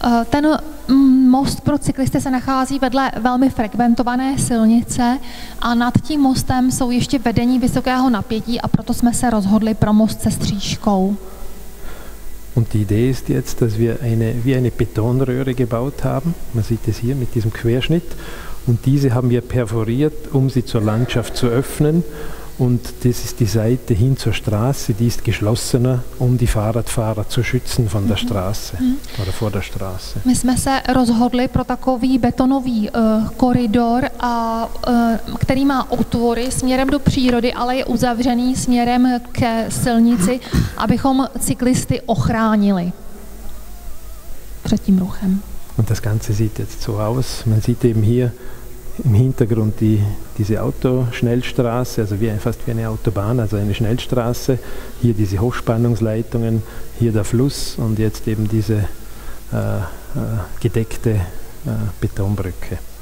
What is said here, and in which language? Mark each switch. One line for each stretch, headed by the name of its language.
Czech: Ten most pro cyklisty se nachází vedle velmi frekventované silnice a nad tím mostem jsou ještě vedení vysokého napětí a proto jsme se rozhodli pro most se stříškou.
German: Und die Idee ist jetzt, dass wir wie eine Betonröhre gebaut haben. Man sieht es hier mit diesem Querschnitt. Und diese haben wir perforiert, um sie zur Landschaft zu öffnen. Und das ist die Seite hin zur Straße, die ist geschlossener, um die Fahrradfahrer zu schützen von der Straße oder vor der Straße.
Czech: My jsme se rozhodli pro takový betonový koridor, který má otvory směrem do přírody, ale je uzavřený směrem k silnici, abychom cyklisty ochránili před tím ruchem.
German: Und das Ganze sieht jetzt so aus, man sieht eben hier im Hintergrund diese Autoschnellstraße, also fast wie eine Autobahn, also eine Schnellstraße. Hier diese Hochspannungsleitungen, hier der Fluss und jetzt eben diese gedeckte Betonbrücke.